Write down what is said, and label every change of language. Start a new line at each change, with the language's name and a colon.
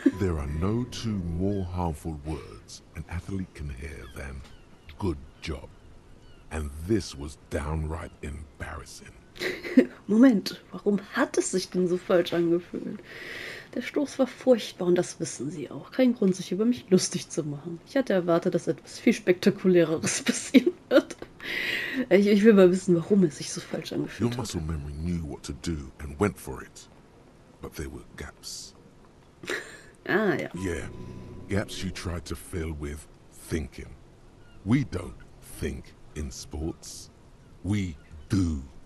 English: There are no two more harmful words an athlete can hear than good job. And this was downright embarrassing.
German: Moment, warum hat es sich denn so falsch angefühlt? Der Stoß war furchtbar und das wissen Sie auch. Kein Grund, sich über mich lustig zu machen. Ich hatte erwartet, dass etwas viel Spektakuläreres passieren wird. Ich will mal wissen, warum es sich so falsch angefühlt hat.
English: Your muscle memory knew what to do and went for it. But there were gaps.
German: Ah, ja.
English: Yeah, gaps you tried to fill with thinking. We don't think in sports. We do.